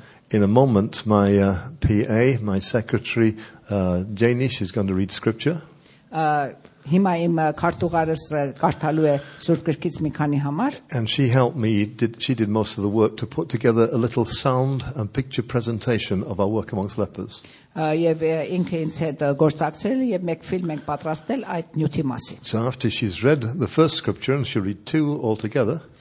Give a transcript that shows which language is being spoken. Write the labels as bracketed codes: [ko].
[en] In a moment, my PA, my secretary, Janish, is going to read Scripture. [hy] Հիմա իմ քարտուղարս կարդալու է Սուրբ գրքից մի քանի համար։ [en] And she helped me, she did most of the work to put together a little sound and picture presentation of our work amongst lepers. [hy] Եվ ինքը ինձ հետ գործակցել եւ մեկ ֆիլմ ենք պատրաստել այդ նյութի մասին։ [en] So after she's read the first scripture and she'll read two altogether.